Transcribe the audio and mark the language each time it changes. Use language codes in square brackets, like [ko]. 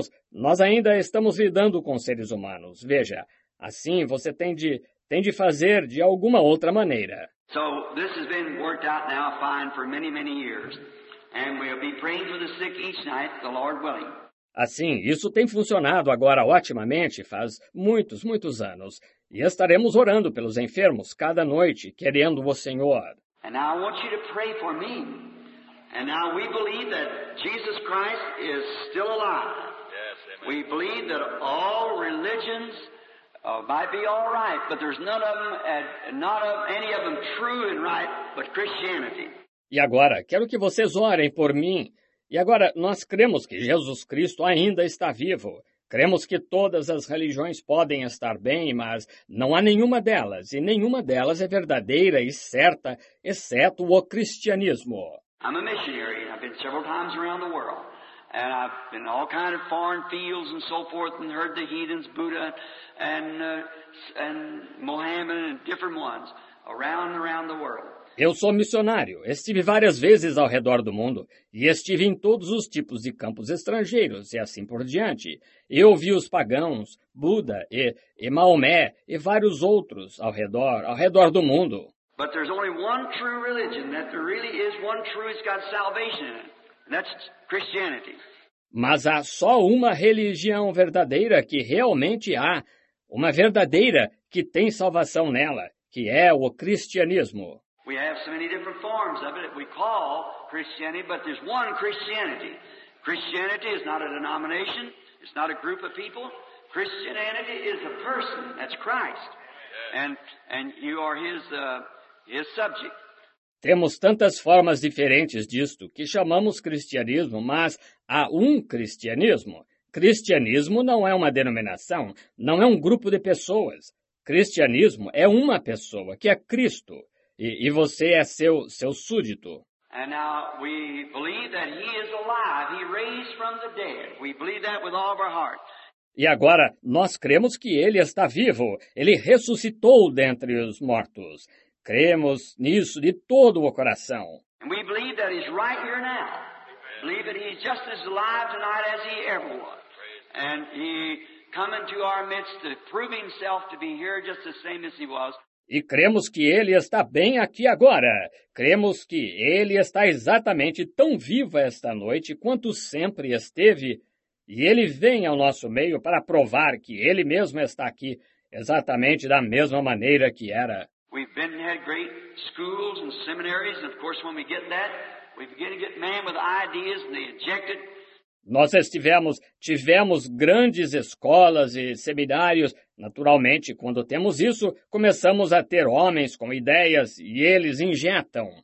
[pt] Nós ainda estamos lidando com seres humanos. Veja, assim você tem de fazer de alguma outra maneira. [en] So, this has been worked out now fine for many, many years. And we'll be praying for the sick each night, the Lord willing. [pt] Assim, isso tem funcionado agora otimamente faz muitos, muitos anos. E estaremos orando pelos enfermos cada noite, querendo o Senhor. [en] And now I want you to pray for me. And now we believe that Jesus Christ is still alive. Yes, amen. We believe that all religions might be all right, but there's none of them, not of any of them true and right, but Christianity. [pt] E agora, quero que vocês orem por mim. E agora, nós cremos que Jesus Cristo ainda está vivo. Cremos que todas as religiões podem estar bem, mas não há nenhuma delas, e nenhuma delas é verdadeira e certa, exceto o cristianismo. [en] I'm a missionary, and I've been several times around the world, and I've been all kinds of foreign fields and so forth, and heard the heathens, Buddha, and Mohammed, and different ones, around the world. [pt] Eu sou missionário, estive várias vezes ao redor do mundo e estive em todos os tipos de campos estrangeiros e assim por diante. Eu vi os pagãos, Buda e Maomé e vários outros ao redor do mundo. [en] But there's only one true religion, that there really is one true, it's got salvation in it, and that's Christianity. [pt] Mas há só uma religião verdadeira que realmente há, uma verdadeira que tem salvação nela, que é o cristianismo. [en] We have so many different forms of it that we call Christianity, but there's one Christianity. Christianity is not a denomination, it's not a group of people. Christianity is a person, that's Christ. And you are his subject. [pt] Temos tantas formas diferentes disto que chamamos cristianismo, mas há um cristianismo. Cristianismo não é uma denominação, não é um grupo de pessoas. Cristianismo é uma pessoa, que é Cristo. E você é seu súdito. [en] And now we believe that he is alive. He raised from the dead. We believe that with all of our heart. [pt] E agora nós cremos que ele está vivo. Ele ressuscitou dentre os mortos. Cremos nisso de todo o coração. [en] And we believe that he's right here now. Amen. Believe that he's just as alive tonight as he ever was. And he come into our midst to prove himself to be here just the same as he was. [pt] E cremos que ele está bem aqui agora. Cremos que ele está exatamente tão vivo esta noite quanto sempre esteve. E ele vem ao nosso meio para provar que ele mesmo está aqui. exatamente da mesma maneira que era. [en] We've been had great schools and seminaries, and of course when we get that, we begin to get men with ideas and they eject it. [pt] Nós tivemos grandes escolas e seminários. Naturalmente, quando temos isso, começamos a ter homens com ideias e eles injetam.